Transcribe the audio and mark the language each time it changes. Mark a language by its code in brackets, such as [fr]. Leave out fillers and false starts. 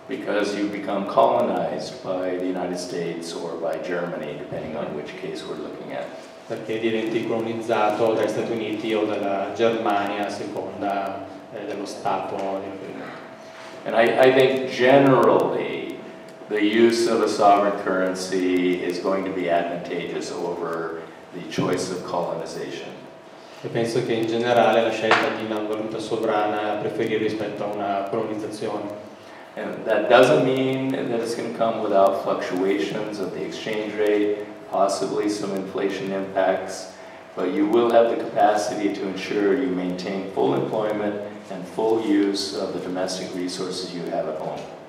[en] Because you become colonized by the United States or by Germany, depending on which case we're looking at. [it] perché diventi colonizzato dagli Stati Uniti o dalla Germania a seconda dello stato di riferimento. [en] And I think generally the use of a sovereign currency is going to be advantageous over the choice of colonization. [it] E penso che in generale la scelta di una valuta sovrana preferire rispetto a una colonizzazione. [en] And that doesn't mean that it's going to come without fluctuations of the exchange rate, possibly some inflation impacts, but you will have the capacity to ensure you maintain full employment and full use of the domestic resources you have at home.